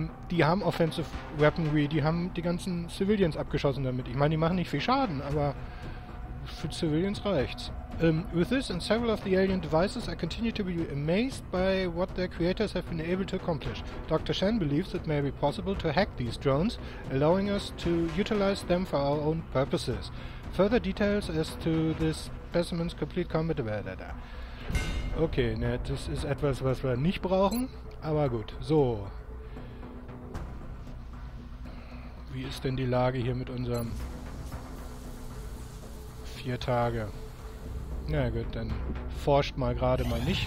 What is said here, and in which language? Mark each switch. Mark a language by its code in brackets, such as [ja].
[de] Die haben Offensive Weaponry, die haben die ganzen Civilians abgeschossen damit. Ich meine, die machen nicht viel Schaden, aber für Civilians reicht's. [en] With this and several of the alien devices, I continue to be amazed by what their creators have been able to accomplish. Dr. Shen believes it may be possible to hack these drones, allowing us to utilize them for our own purposes. Further details as to this specimen's complete combat data. [de] Okay, ne, das ist etwas, was wir nicht brauchen, aber gut, so. Wie ist denn die Lage hier mit unserem 4 Tage? Na ja, gut, dann forscht mal gerade mal nicht.